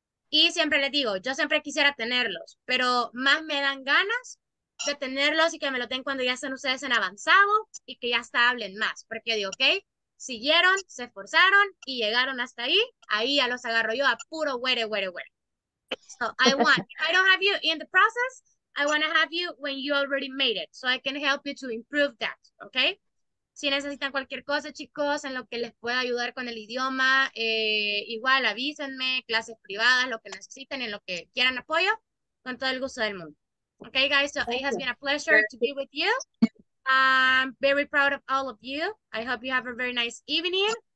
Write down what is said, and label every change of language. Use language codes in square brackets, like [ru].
[es] Y siempre les digo, yo siempre quisiera tenerlos, pero más me dan ganas de tenerlos y que me lo den cuando ya estén ustedes en avanzado y que ya hasta hablen más. Porque digo, ok, siguieron, se esforzaron y llegaron hasta ahí, ahí ya los agarro yo a puro were, were, were. [en] So I want, if I don't have you in the process, I want to have you when you already made it, so I can help you to improve that, okay? [es] Si necesitan cualquier cosa, chicos, en lo que les pueda ayudar con el idioma, igual avísenme, clases privadas, lo que necesiten, en lo que quieran apoyo, con todo el gusto del mundo. [en] Okay, guys, so it has been a pleasure to be with you. I'm very proud of all of you. I hope you have a very nice evening.